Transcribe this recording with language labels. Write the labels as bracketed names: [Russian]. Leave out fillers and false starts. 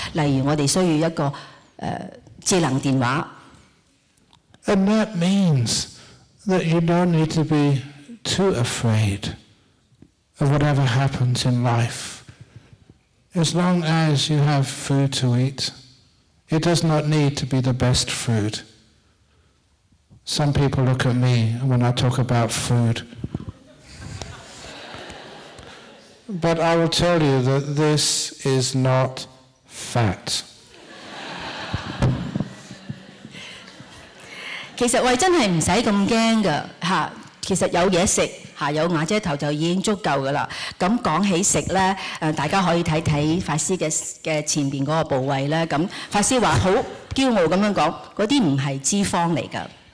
[Cantonese] 例如我哋需要一個智能電話。 [English] And that means that you don't need to be. Too afraid of whatever happens in life. As long as you have food to eat, it does not need to be the best food. Some people look at me when I talk about food. But I will tell you that this is not fat. [Cantonese] 其實我真係唔使咁驚噶嚇。其實有嘢食嚇，有瓦遮頭就已經足夠噶啦。咁講起食咧，大家可以睇睇法師嘅前邊嗰個部位咧。咁法師話好驕傲咁樣講，嗰啲唔係脂肪嚟噶。